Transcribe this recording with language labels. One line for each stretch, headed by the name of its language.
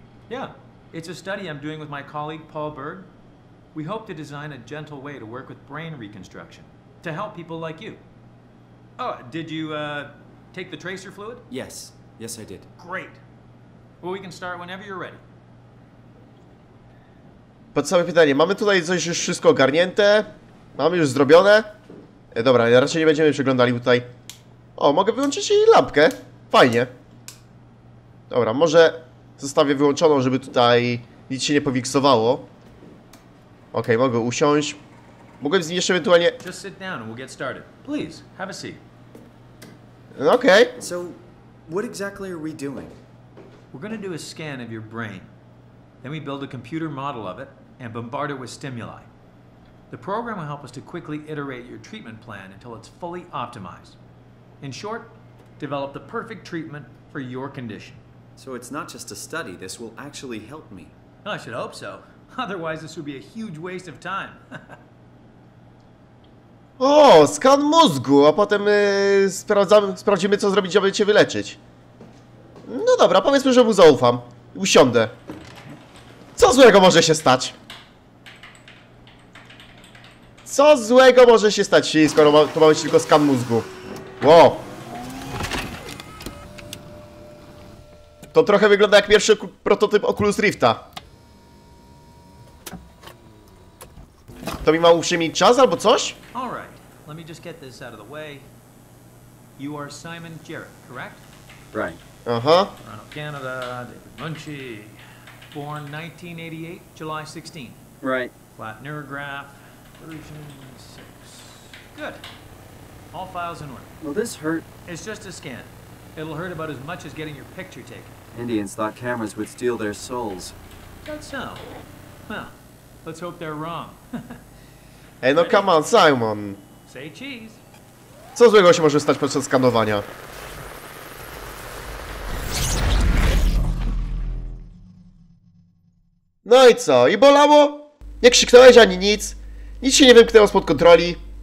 English: Yeah, it's a study I'm doing with my colleague, Paul Berg. We hope to design a gentle way to work with brain reconstruction. To help people like you. Oh, did you, take the tracer fluid? Yes. Yes, I did. Great. Well, we can start whenever you're ready.
Polish: Podstawowe pytanie. Mamy tutaj coś już wszystko ogarnięte? Mamy już zrobione? Dobra, raczej nie będziemy przeglądali tutaj. O, mogę wyłączyć jej lampkę. Fajnie. Dobra, może zostawię wyłączoną, żeby tutaj nic się nie powiksowało. Okej, mogę usiąść. Mogłem z nim jeszcze ewentualnie...
English: Just sit down and we'll get started. Please, have a seat. Okej. So, what exactly are we doing? We're gonna do a scan of your brain. Then we build a computer model of it and bombard it with stimuli. The program will help us to quickly iterate your treatment plan until it's fully optimized. In short, develop the perfect treatment for your condition. So it's not just a study, this will actually help me. I should hope so. Otherwise this would be a huge waste of time.
Polish: O, skan mózgu, a potem sprawdzimy co zrobić, aby cię wyleczyć. No dobra, powiedzmy, że mu zaufam. Usiądę. Co złego może się stać? Co złego może się stać, skoro to ma być tylko skan mózgu? Wow. To trochę wygląda jak pierwszy prototyp Oculus Rifta. To mi ma uprzymić czas albo coś?
English: All right. Let me just get this out of the way. You are Simon Jarrett, correct? Right. Aha. Toronto, Canada, David Munchie. Born 1988, July 16th. Right. Flat neurograph, version 6. Good. All files in order. Will this hurt? It's just a scan. It'll hurt about as much as getting your picture taken. Indians thought cameras would steal their souls. That's so. Well, let's hope they're wrong. Hey, no, come on, Simon. Say cheese.
Polish: Co złego się może stać podczas skanowania? No i co? I bolało? Nie krzyknąłeś ani nic? Nic się nie wymknęło spod kontroli?